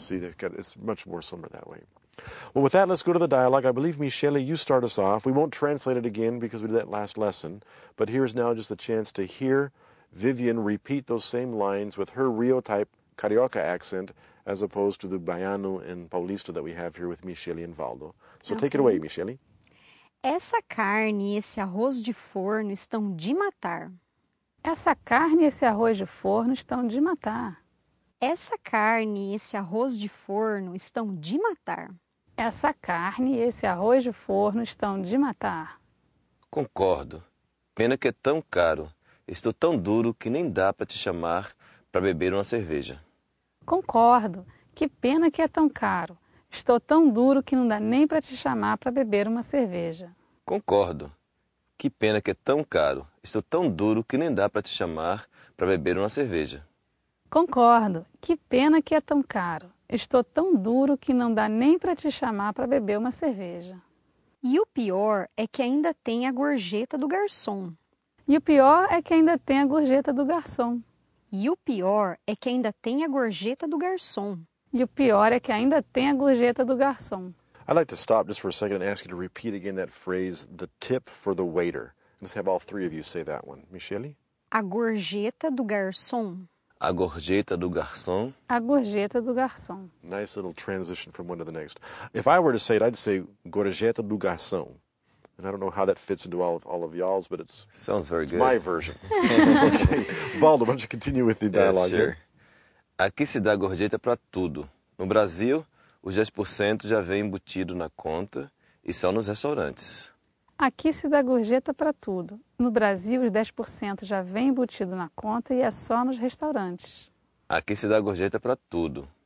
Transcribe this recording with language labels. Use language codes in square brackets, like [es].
[en] See, they've got, it's much more similar that way. Well, with that, let's go to the dialogue. I believe, Michele, you start us off. We won't translate it again because we did that last lesson. But here is now just a chance to hear Vivian repeat those same lines with her Rio-type Carioca accent as opposed to the Baiano and Paulista that we have here with Michele and Valdo. So okay. Take it away, Michele. [pt] Essa carne e esse arroz de forno estão de matar. Essa carne e esse arroz de forno estão de matar. Essa carne e esse arroz de forno estão de matar. Essa carne e esse arroz de forno estão de matar. Concordo. Pena que é tão caro. Estou tão duro que nem dá para te chamar para beber uma cerveja. Concordo. Que pena que é tão caro. Estou tão duro que não dá nem para te chamar para beber uma cerveja. Concordo. Que pena que é tão caro. Estou tão duro que nem dá para te chamar para beber uma cerveja. Concordo. Que pena que é tão caro. Estou tão duro que não dá nem para te chamar para beber uma cerveja. E o pior é que ainda tem a gorjeta do garçom. E o pior é que ainda tem a gorjeta do garçom. E o pior é que ainda tem a gorjeta do garçom. E o pior é que ainda tem a gorjeta do garçom. [en] I'd like to stop just for a second and ask you to repeat again that phrase, the tip for the waiter. Let's have all three of you say that one. Michele? [pt] A gorjeta do garçom. A gorjeta do garçom. A gorjeta do garçom. [en] Nice little transition from one to the next. If I were to say it, I'd say [pt] gorjeta do garçom. [en] And I don't know how that fits into all of y'all's, but it's... Sounds very it's good. My version. Okay. Valdo, why don't you continue with the dialogue [pt] here? Aqui se dá gorjeta para tudo. No Brasil, os 10% já vem embutido na conta e só nos restaurantes. Aqui se dá gorjeta para tudo. No Brasil, os 10% já vem embutido na conta e é só nos restaurantes. Aqui se dá gorjeta para tudo.